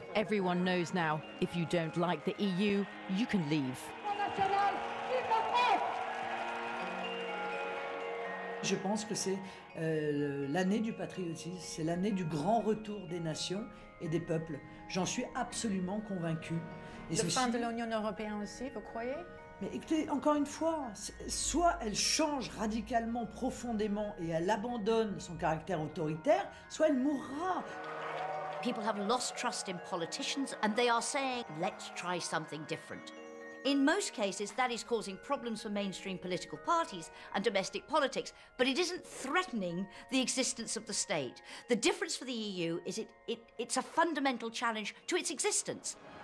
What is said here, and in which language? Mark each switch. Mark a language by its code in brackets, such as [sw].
[en] Everyone knows now, if you don't like the EU, you can leave. [fr] Je pense que c'est l'année du patriotisme, c'est l'année du grand retour des nations et des peuples. J'en suis absolument convaincu. Et le fin de l'Union européenne aussi, vous croyez? Mais écoutez, encore une fois, soit elle change radicalement, profondément, et elle abandonne son caractère autoritaire, soit elle mourra. [en] People have lost trust in politicians, and they are saying, let's try something different. In most cases, that is causing problems for mainstream political parties and domestic politics, but it isn't threatening the existence of the state. The difference for the EU is it's a fundamental challenge to its existence.